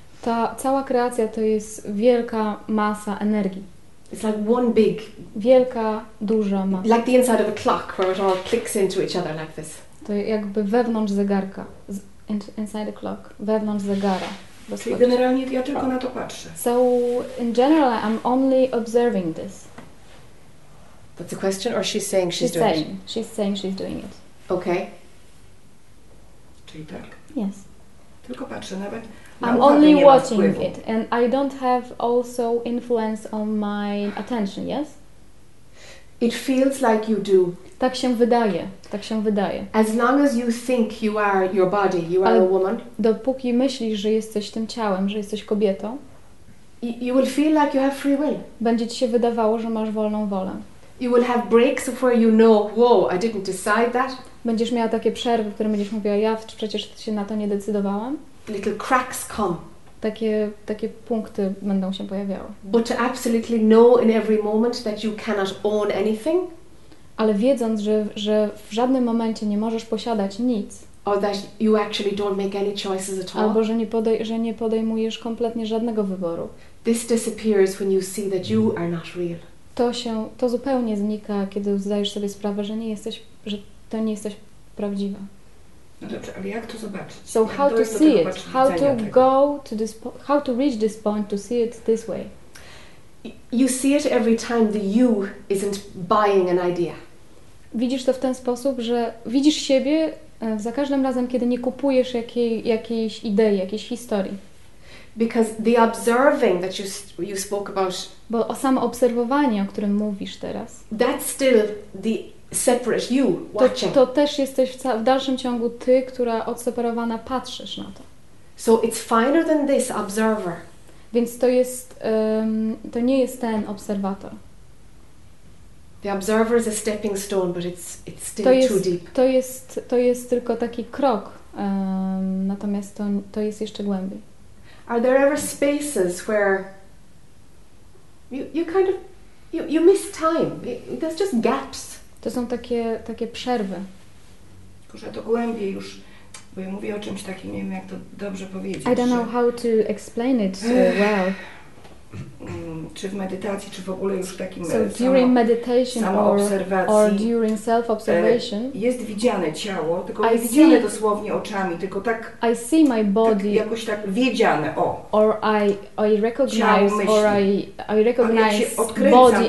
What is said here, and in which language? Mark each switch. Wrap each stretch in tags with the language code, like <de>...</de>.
<pl>Ta cała kreacja to jest wielka masa energii.</pl> <en>It's like one big,</en> <pl>wielka, duża masa.</pl> <en>Like the inside of a clock where it all clicks into each other like this.</en> <pl>To jakby wewnątrz zegarka,</pl> <en>inside a clock,</en> <pl>wewnątrz zegara. Czyli generalnie ja tylko na to patrzę.</pl> <en>So in general I'm only observing this. That's a question, or she's saying she's doing saying. It? She's saying she's doing it. Okay.</en> <pl>Czyli tak?</pl> <en>Yes.</en> <pl>Tylko patrzę, nawet</pl> <en>I'm only watching it, and I don't have also influence on my attention, yes? It feels like you do.</en> <pl>Tak się wydaje.</pl> <en>As long as you think you are your body, you are a woman.</en> <pl>Dopóki myślisz, że jesteś tym ciałem, że jesteś kobietą.</pl> <en>You will feel like you have free will.</en> <pl>Będzie ci się wydawało, że masz wolną wolę.</pl> <en>You will have breaks of where you know, whoa, I didn't decide that.</en> <pl>Będziesz miała takie przerwy, w których będziesz mówiła, ja przecież się na to nie decydowałam.</pl> <en>Little cracks come.</en> <pl>Takie punkty będą się pojawiały.</pl> <en>But to absolutely know in every moment that you cannot own anything.</en> <pl>Ale wiedząc, że w żadnym momencie nie możesz posiadać nic.</pl> <en>Or that you actually don't make any choices at all.</en> <pl>Albo że nie podejmujesz kompletnie żadnego wyboru.</pl> <en>This disappears when you see that you are not real.</en> <pl>To zupełnie znika, kiedy zdajesz sobie sprawę, że nie jesteś, że to nie jesteś prawdziwa. No dobrze, ale jak to zobaczyć?</pl> <en>So how to see it? How to go to this? How to reach this point to see it this way? You see it every time the you isn't buying an idea.</en> <pl>Widzisz to w ten sposób, że widzisz siebie za każdym razem, kiedy nie kupujesz jakiejś idei, jakiejś historii.</pl> <en>Because the observing that you spoke about,</en> <pl>bo o samo obserwowanie, o którym mówisz teraz,</pl> <en>that's still the separate you watching.</en> <pl>To też jesteś w dalszym ciągu ty, która odseparowana patrzysz na to.</pl> <en>So it's finer than this observer.</en> <pl>Więc to jest to nie jest ten obserwator.</pl> <en>The observer is a stepping stone, but it's still too deep.</en> <pl>To jest tylko taki krok, natomiast to jest jeszcze głębiej.</pl> <en>Are there ever spaces where you miss time? There's just gaps.</en> <pl>To są takie przerwy. Kurze, to głębiej już, bo ja mówię o czymś takim, nie wiem jak to dobrze powiedzieć.</pl> <en>I don't know how to explain it so well.</en> <pl>Czy w medytacji, czy w ogóle już w takim samoobserwacji jest widziane ciało, tylko nie widziane dosłownie oczami, tylko tak,</pl> <en>I see my body,</en> <pl>tak jakoś tak wiedziane, o.</pl> <en>Or I recognize,</en> <pl>ciało,</pl> <en>or I recognize body</en>